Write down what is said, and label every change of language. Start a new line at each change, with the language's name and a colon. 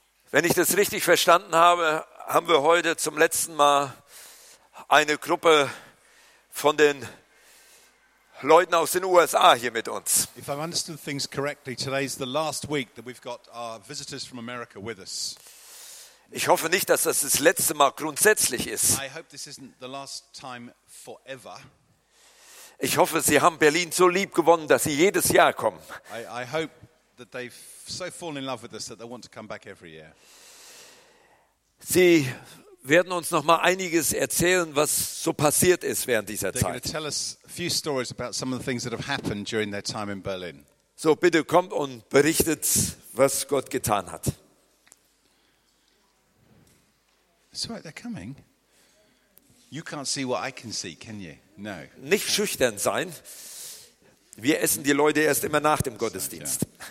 German: Wenn ich das richtig verstanden habe, haben wir heute zum letzten Mal eine Gruppe von den Leuten aus den USA hier mit uns.
English: If I've understood things correctly, today's the last week that we've got our visitors from America with us.
German: Ich hoffe nicht, dass das das letzte Mal grundsätzlich ist.
English: I hope this isn't the last time forever.
German: Ich hoffe, sie haben Berlin so lieb gewonnen, dass sie jedes Jahr kommen.
English: I hope that they've so fallen in love with us that they want to come back every year.
German: Sie werden uns noch mal einiges erzählen, was so passiert ist während dieser Zeit.
English: They're going to tell us a few stories about some of the things that have happened during their time in Berlin.
German: So bitte kommt und berichtet, was Gott getan hat.
English: It's right, they're coming. You can't see what I can see, can you? No.
German: Nicht schüchtern sein. Wir essen die Leute erst immer nach dem Gottesdienst.